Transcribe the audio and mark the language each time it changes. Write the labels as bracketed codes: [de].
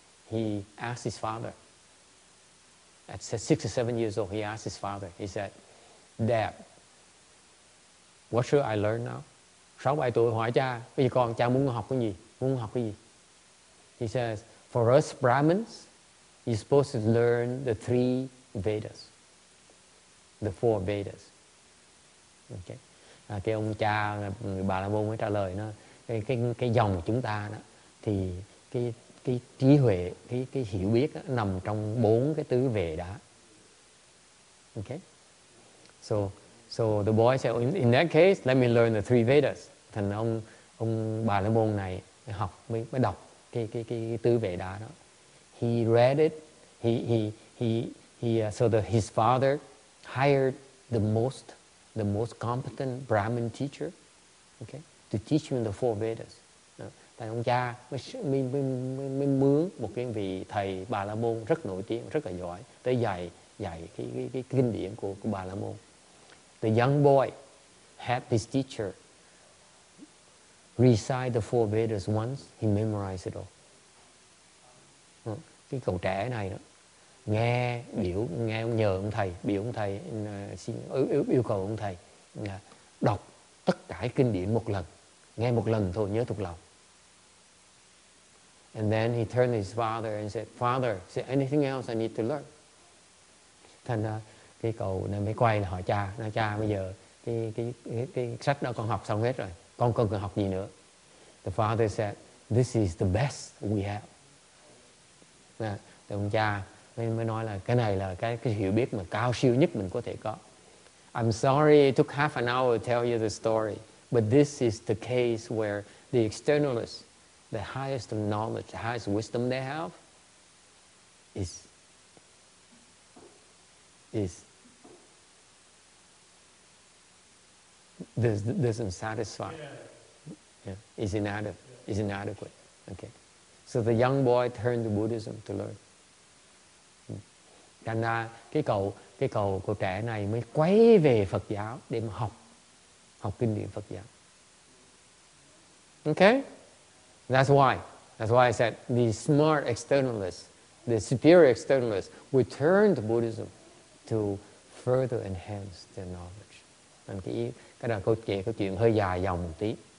[en] He asked his father, at 6 or 7 years old, he asked his father, he said, Dad, what should I learn now? [vi] 6-7 tuổi hỏi cha, bây giờ con, cha muốn học cái gì? [en] He says, for us Brahmins, you're supposed to learn the 3 Vedas, the 4 Vedas. Okay. [vi] Cái ông cha, người Bà La Môn mới trả lời nó, cái dòng chúng ta đó, thì cái trí huệ, cái hiểu biết đó, nằm trong 4 cái tứ vệ đó. [en] Okay. So the boy said, in that case, let me learn the 3 Vedas. [vi] Thành ông Bà La Môn này học mới đọc cái tứ vệ đá đó. [en] He read it. His father hired the most competent Brahmin teacher, okay, to teach him the 4 Vedas. [vi] Thành ông cha mới mướn một cái vị thầy Bà La Môn rất nổi tiếng, rất là giỏi, tới dạy cái kinh điển của Bà La Môn. [en] The young boy had his teacher recite the 4 Vedas once, he memorized it all. [vi] Cái cậu trẻ này đó, nghe ông nhờ ông thầy, biểu ông thầy, xin yêu cầu ông thầy đọc tất cả kinh điển một lần, nghe một lần thôi, nhớ thuộc lòng. [en] And then he turned to his father and said, Father, is there anything else I need to learn? [vi] Thành ra, cái cậu này mới quay lại hỏi cha, nói cha bây giờ cái sách đó con học xong hết rồi, con còn cần học gì nữa? [en] The father said, this is the best we have. [vi] Thì ông cha mới nói là cái này là cái hiểu biết mà cao siêu nhất mình có thể có. [en] I'm sorry it took half an hour to tell you the story, but this is the case where the externalists, the highest of knowledge, the highest wisdom they have is doesn't satisfy. Yeah. Is inadequate. Okay. So the young boy turned to Buddhism to learn. [vi] Thành ra cái cậu trẻ này mới quay về Phật giáo để mà học kinh điển Phật giáo. [en] Okay? That's why I said the smart externalists, the superior externalists, will turn to Buddhism to further enhance their knowledge. [vi] Cái đó câu chuyện hơi dài dòng một tí.